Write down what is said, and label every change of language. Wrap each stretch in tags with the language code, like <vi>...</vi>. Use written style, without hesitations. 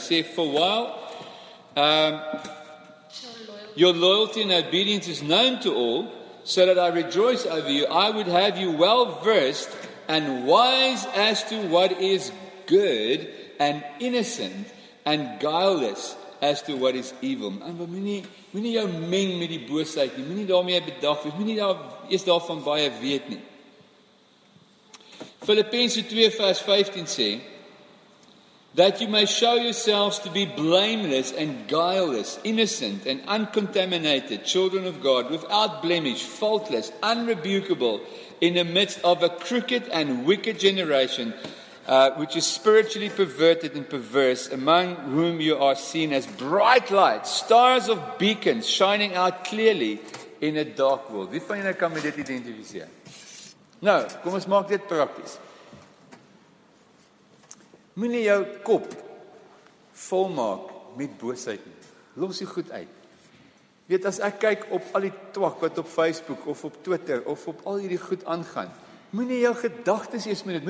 <af>Hy sê</af> <en>for while your loyalty and obedience is known to all, so that I rejoice over you. I would have you well versed and wise as to what is good and innocent and guileless as to what is evil.</en> <af>En we moet nie jou meng met die boosheid nie. Moet nie daarmee bedag wees. Moet nie eers daarvan baie weet nie. Filippense 2 vers 15 sê,</af> <en>that you may show yourselves to be blameless and guileless, innocent and uncontaminated, children of God, without blemish, faultless, unrebukable, in the midst of a crooked and wicked generation, which is spiritually perverted and perverse, among whom you are seen as bright lights, stars of beacons, shining out clearly in a dark world.</en> <af>Wie van julle kan met dit identifiseer? Nou, kom ons maak dit prakties. Moenie jou kop volmaak met boosheid nie. Los die goed uit. Weet, as ek kyk op al die twak wat op Facebook of op Twitter of op al hierdie goed aangaan, moenie jou gedagtes eens met dit.</af>